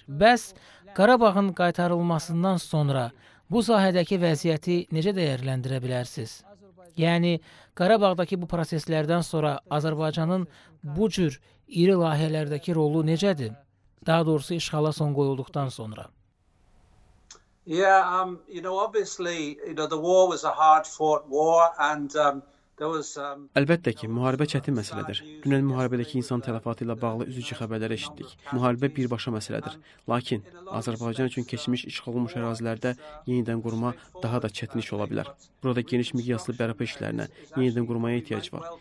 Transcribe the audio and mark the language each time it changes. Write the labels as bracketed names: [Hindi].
[Azerbaijani] Bəs Qarabağın qaytarılmasından sonra bu sahədəki vəziyyəti necə dəyərləndirə bilərsiniz? Yəni Qarabağdakı bu proseslərdən sonra Azərbaycanın bu cür iri layihələrdəki rolu necədir? Daha doğrusu işğala son qoyulduqdan sonra. [English] The war was a hard-fought war and [Azerbaijani] Əlbəttə ki, müharibə çətin məsələdir. Dünən müharibədəki insan tələfatı ilə bağlı üzücü xəbərlər eşitdik. Müharibə birbaşa məsələdir. Lakin Azərbaycan üçün keçmiş işğal olunmuş ərazilərdə yenidən qurma daha da çətin iş ola bilər. Burada geniş miqyaslı bərpa işlərinə, yenidən qurmaya ehtiyac var.